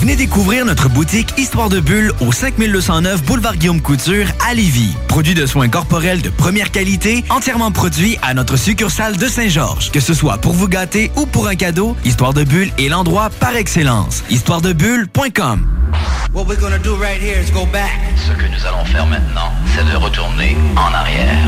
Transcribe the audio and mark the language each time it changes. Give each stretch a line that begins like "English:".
French: Venez découvrir notre boutique Histoire de Bulle au 5209 Boulevard Guillaume Couture à Lévis. Produit de soins corporels de première qualité, entièrement produit à notre succursale de Saint-Georges. Que ce soit pour vous gâter ou pour un cadeau, Histoire de Bulle est l'endroit par excellence. Histoiredebulle.com.
English: What we're gonna do right here is go back.
French: Ce que nous allons faire maintenant, c'est de retourner en arrière.